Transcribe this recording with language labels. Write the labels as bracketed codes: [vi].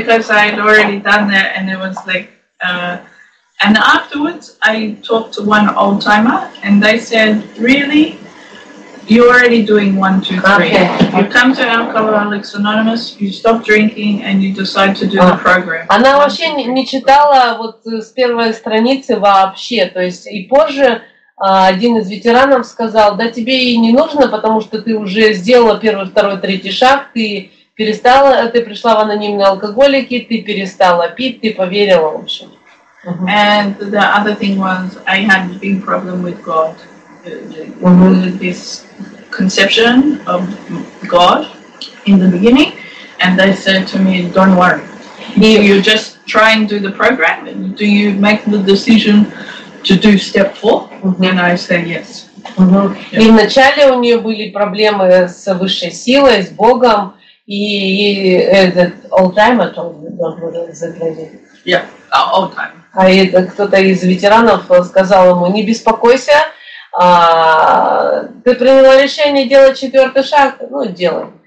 [en] Because I had already done that, and it was like, and afterwards I talked to one old timer, and they said, "Really, you're already doing 1, 2, 3. Okay. You come to Alcoholics Anonymous, you stop drinking, and you decide to do the program." [ru] Она вообще не читала вот с первой страницы вообще, то есть и позже один из ветеранов сказал, да тебе и не нужно, потому что ты уже сделала первый, второй, третий шаг, ты перестала, ты пришла в анонимные алкоголики, ты перестала пить, ты поверила, в общем. [en] And the other thing was, I had a big problem with God. This conception of God in the beginning, and they said to me, don't worry. You just try and do the program, and do you make the decision to do step four? And I said yes. [ru] И вначале у нее были проблемы с высшей силой, с Богом, и этот old-timer, [en] old-timer. [ru] А кто-то из ветеранов сказал ему, не беспокойся, ты приняла решение делать четвертый шаг, ну делай.